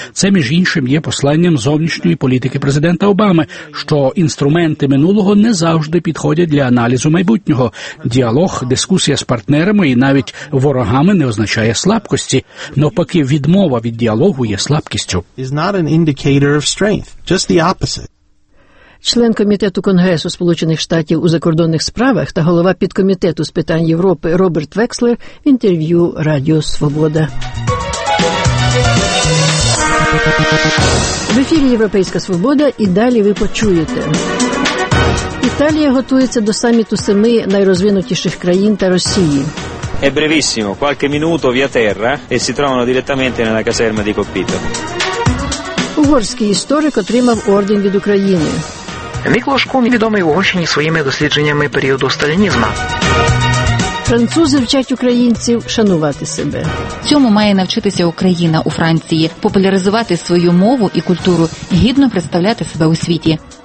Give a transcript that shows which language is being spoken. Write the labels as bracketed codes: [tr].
[uk] Це, між іншим, є посланням зовнішньої політики президента Обами, що інструменти минулого не завжди підходять для аналізу майбутнього. Діалог, дискусія з партнерами і навіть ворогами не означає слабкості. Навпаки, відмова від діалогу є слабкістю. [en] Is not an indicator of strength, just the opposite. [uk] Член Комітету Конгресу Сполучених Штатів у закордонних справах та голова підкомітету з питань Європи Роберт Векслер в інтерв'ю Радіо Свобода. В ефірі «Європейська свобода» і далі ви почуєте. Італія готується до саміту 7 найрозвинутіших країн та Росії. [it] È brevissimo, qualche minuto via terra e si trovano direttamente nella caserma di Coppito. [uk] Угорський історик отримав орден від України. Миклош Кун відомий в Угорщині своїми дослідженнями періоду сталінізму. Французи вчать українців шанувати себе. Цьому має навчитися Україна у Франції. Популяризувати свою мову і культуру, гідно представляти себе у світі.